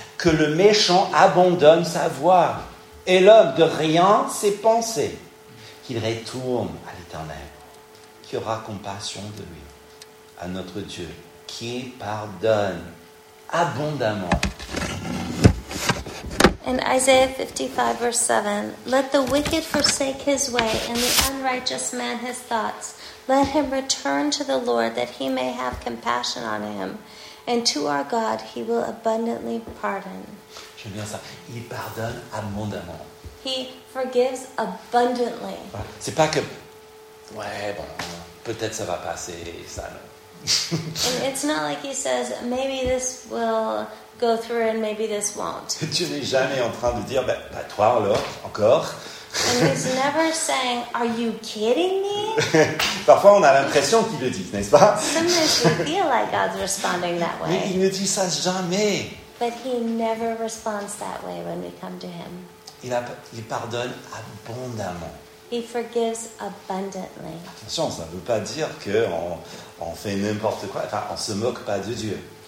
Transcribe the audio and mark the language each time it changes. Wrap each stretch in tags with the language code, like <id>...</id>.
<fr>Que le méchant abandonne sa voie et l'homme de rien ses pensées. Qu'il retourne à l'Éternel, qui aura compassion de lui, à notre Dieu, qui pardonne abondamment.</fr> <en>In Isaiah 55, verse 7, let the wicked forsake his way and the unrighteous man his thoughts. Let him return to the Lord that he may have compassion on him. And to our God he will abundantly pardon.</en> <fr>J'aime bien ça. Il pardonne abondamment.</fr> <en>He forgives abundantly.</en> <fr>Ouais. C'est pas que, ouais, bon, peut-être ça va passer, ça, non.</fr> <en>And it's not like he says, maybe this will go through and maybe this won't.</en> <fr>Tu n'es jamais en train de dire, ben, bah, toi alors, encore.</fr> <en>And he's never saying, are you kidding me?</en> <fr>Parfois, on a l'impression qu'il le dit, n'est-ce pas?</fr> <en>Sometimes you feel like God's responding that way.</en> <fr>Mais il ne dit ça jamais.</fr> <en>But he never responds that way when we come to him.</en> <fr>Il pardonne abondamment.</fr> <en>He forgives abundantly.</en> <fr>Attention, ça ne veut pas dire qu'on fait n'importe quoi. Enfin, on ne se moque pas de Dieu.</fr>